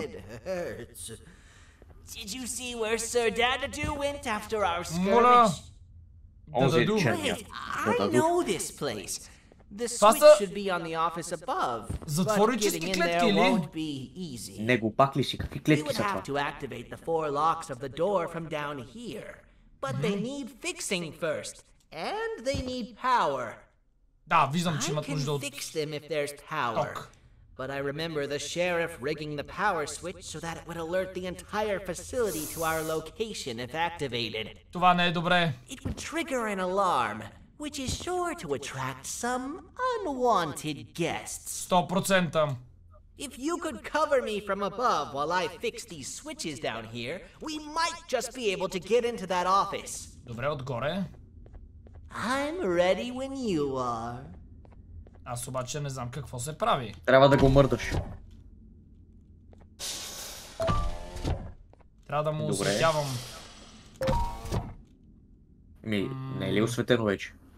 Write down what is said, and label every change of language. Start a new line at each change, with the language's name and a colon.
English: Did you see where Sir Dadadu went after our skirmish?
Bulgarian: Моля! Дададу!
English: I know this place. The switch should be on the office above.
Bulgarian: Затворически клетки ли? Не глупак ли си, какви клетки са това?
English: To activate the four locks of the door from down here. But they need fixing first and they need power.
Bulgarian: Да, виждам, че имат нужда от.
English: Fix them if there's power. But I remember the sheriff rigging the power switch so that it would alert the entire facility to our location if activated.
Bulgarian: Това не е добре.
English: It would trigger an alarm, which is sure to attract some unwanted guests. 100%. If you could cover me from above while I fix these switches down here, we might just be able to get into that office.
Bulgarian: Добре, отгоре.
English: I'm ready when you are.
Bulgarian: Аз обаче не знам какво се прави. Трябва да го мърдаш. Трябва да му осветявам. Ми, не е ли осветено вече?